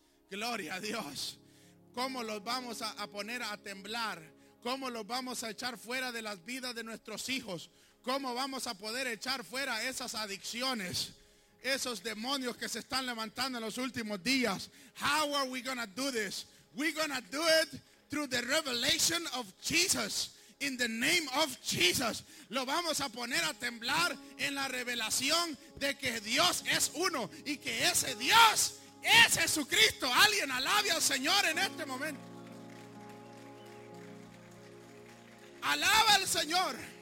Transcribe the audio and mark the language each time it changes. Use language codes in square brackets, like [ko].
[es] Gloria a Dios. ¿Cómo los vamos a poner a temblar? ¿Cómo los vamos a echar fuera de las vidas de nuestros hijos? ¿Cómo vamos a poder echar fuera esas adicciones? Esos demonios que se están levantando en los últimos días. [en] How are we gonna do this? We're gonna do it through the revelation of Jesus. In the name of Jesus. [es] Lo vamos a poner a temblar en la revelación de que Dios es uno y que ese Dios es Jesucristo. Alguien alabe al Señor en este momento. Alaba al Señor.